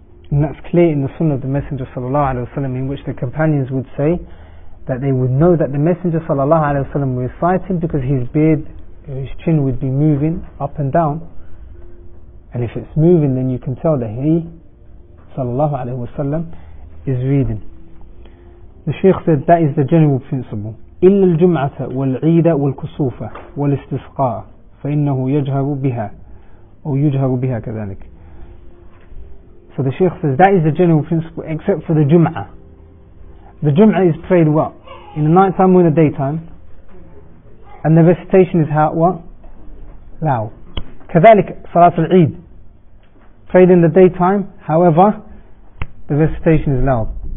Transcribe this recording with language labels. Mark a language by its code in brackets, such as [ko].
[en] And that's clear in the Sunnah of the Messenger sallallahu alaihi wasallam, in which the companions would say that they would know that the Messenger sallallahu alaihi wasallam was reciting because his beard, his chin would be moving up and down. And if it's moving, then you can tell that he sallallahu alaihi wasallam is reading. The Shaykh said that is the general principle. [ar] إلا الجمعة والعيد والكسوفة والاستسقاء فإنه يجهر بها أو يجهر بها كذلك. [en] So the Shaykh says that is the general principle except for the Jum'ah. The Jum'ah is prayed what? In the night time or in the daytime? And the recitation is how? What? Loud. [ar] كذلك صلاة العيد [en] prayed in the daytime, however the recitation is loud.